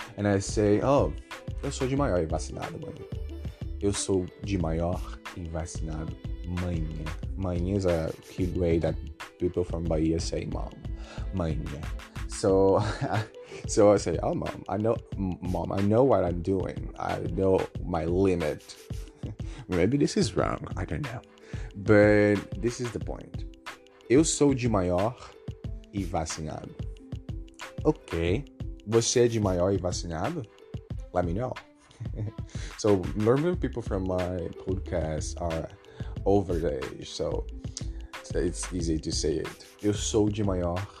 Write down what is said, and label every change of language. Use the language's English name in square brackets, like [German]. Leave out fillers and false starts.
[Portuguese] And I say, oh, eu sou de maior e vacinado, mãe. Eu sou de maior e vacinado, mãe. [English] Mãe is a cute way that people from Bahia say mom. Mãe. So I say, oh, mom, I know what I'm doing. I know my limit. Maybe this is wrong. I don't know. But this is the point. [Portuguese] Eu sou de maior e vacinado. Okay. Você é de maior e vacinado? [English] Let me know. So normally people from my podcast are over the age. So it's easy to say it. [Portuguese] Eu sou de maior.